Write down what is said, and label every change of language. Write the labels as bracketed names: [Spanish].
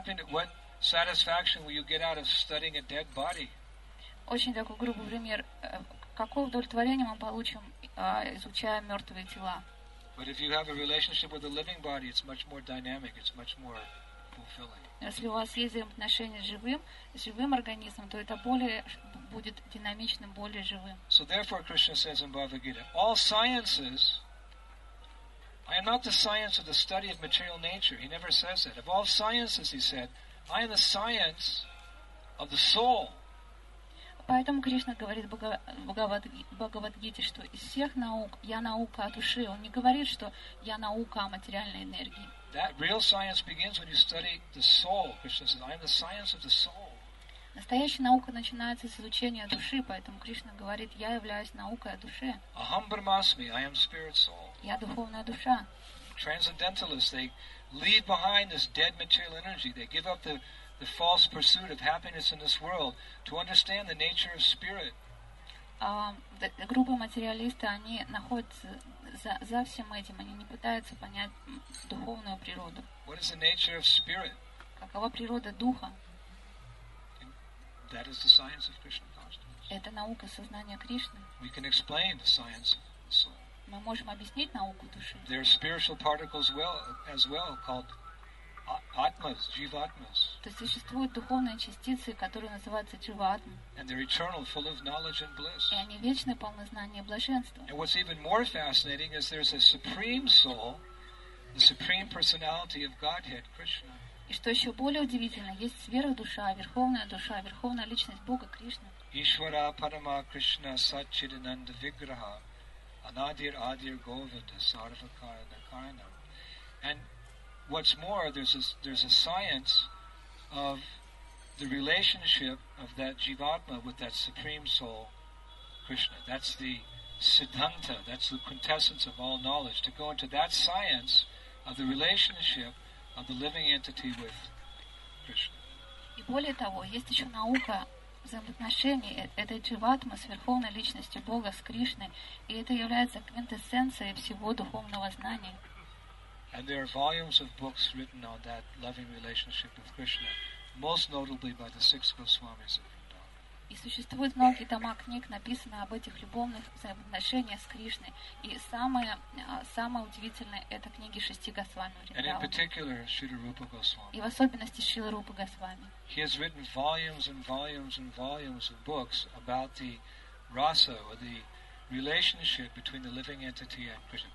[English] What satisfaction will you get out of studying a dead body? [Russian] Очень такой грубый пример. Какое удовлетворение мы получим, изучая мертвые тела? [English] But if you have a relationship with a living body, it's much more dynamic, it's much more fulfilling. [Russian] Если у вас есть отношения с живым организмом, то это будет динамичным, более живым. [English] So therefore, Krishna says in Bhagavad Gita, all sciences, I am not the science of the study of material nature. He never says that. Of all sciences, he said, I am the science of the soul. [Russian] Поэтому Кришна говорит в Бхагавад-гите, что из всех наук я наука о душе. Он не говорит, что я наука о материальной энергии. [English] That real science begins when you study the soul. Krishna says, I am the science of the soul. [Russian] Настоящая наука начинается с изучения души, поэтому Кришна говорит, я являюсь наукой о душе. [Sanskrit] Aham Brahmasmi, [English] I am spirit soul. [Russian] Я духовная душа. [English] Transcendentalists, they leave behind this dead material energy. They give up the false pursuit of happiness in this world to understand the nature of spirit. [Russian] Группа материалистов, они находятся за всем этим. Они не пытаются понять духовную природу. [English] What is the nature of spirit? [Russian] Какова природа духа? [English] That is the science of Krishna consciousness. [Russian] Это наука сознания Кришны. [English] We can explain the science of the soul. [Russian] Мы можем объяснить науку души. [English] There are spiritual particles as well called atmas, jivatmas. [Russian] То есть существуют духовные частицы, которые называются дживатма. [English] And they're eternal, full of knowledge and bliss. [Russian] И они вечны, полны знания и блаженства. [English] And what's even more fascinating is there's a supreme soul, the supreme personality of Godhead, Krishna. [Russian] И что еще более удивительно, есть сверхдуша, верховная личность Бога Кришна. [Sanskrit] Ишвара Парама Кришна Сатчидананда Виграха. Anadir Adir Govinda Sarvakara Nakarnam. [English] And what's more, there's a science of the relationship of that Jivatma with that Supreme Soul, Krishna. That's the Siddhanta, that's the quintessence of all knowledge. To go into that science of the relationship of the living entity with Krishna. [Russian] И более того, есть еще наука взаимоотношений этой дживатмы с Верховной Личностью Бога, с Кришной, и это является квинтэссенцией всего духовного знания. [English] And there are volumes of books written on that loving relationship with Krishna, most notably by the six Goswamis of Vrindavan. [Russian] И существует много тома книг, написанных об этих любовных взаимоотношениях с Кришной, и самое удивительное – это книги шести Госвами Вриндавана. [English] And in particular, Шрила Рупа Госвами. [Russian] И в особенности Шрила Рупа Госвами. [English] He has written volumes and volumes and volumes of books about the rasa, or the relationship between the living entity and Krishna.